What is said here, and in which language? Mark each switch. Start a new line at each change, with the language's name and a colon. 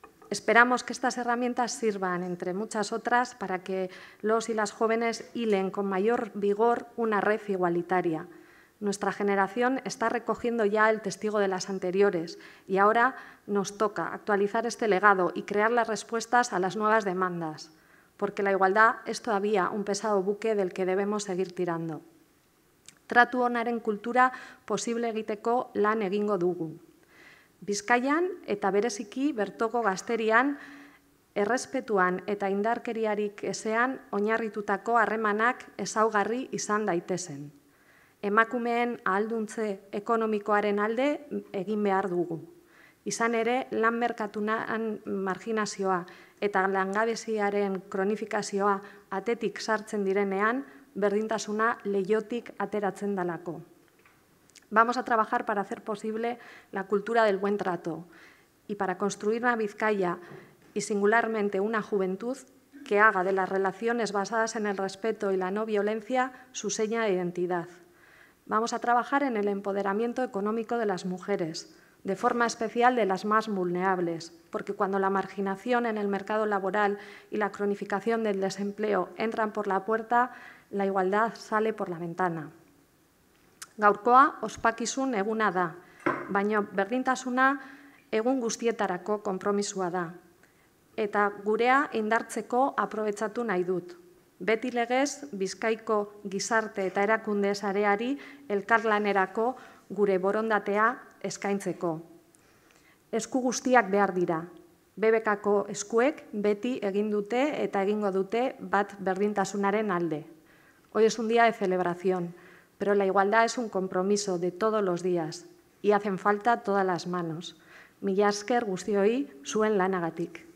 Spanish: Esperamos que estas herramientas sirvan, entre muchas otras, para que los y las jóvenes hilen con mayor vigor una red igualitaria. Nuestra generación está recogiendo ya el testigo de las anteriores y ahora nos toca actualizar este legado y crear las respuestas a las nuevas demandas. porque la igualdad es todavía un pesado buque del que debemos seguir tirando.
Basque: Tratu onaren kultura posible egiteko lan egingo dugu. Bizkaian eta bereziki bertoko gazterian, errespetuan eta indarkeriarik ezean oinarritutako harremanak ezaugarri izan daitezen. Emakumeen ahalduntze ekonomikoaren alde egin behar dugu. Izan ere, lan merkatuan marginazioa eta langabeziaren kronifikazioa atetik sartzen direnean, berdintasuna leiotik ateratzen dalako.
Spanish: Vamos a trabajar para hacer posible la cultura del buen trato y para construir una Vizcaya y singularmente una juventud que haga de las relaciones basadas en el respeto y la no violencia su seña de identidad. Vamos a trabajar en el empoderamiento económico de las mujeres, de forma especial de las más vulnerables, porque cuando la marginación en el mercado laboral y la cronificación del desempleo entran por la puerta, la igualdad sale por la ventana.
Basque: Gaurkoa ospakizun eguna da, baina berdintasuna egun guztietarako konpromisua da. Eta gurea indartzeko aprobetsatu nahi dut. Beti legez, Bizkaiko gizarte eta erakunde sareari elkarlanerako gure borondatea eskaintzeko. Esku guztiak behar dira. BBK-ko eskuek beti egin dute eta egingo dute bat berdintasunaren alde.
Spanish: Hoy es un día de celebración, pero la igualdad es un compromiso de todos los días y hacen falta todas las manos.
Basque: Mila esker guztioi zuen lanagatik.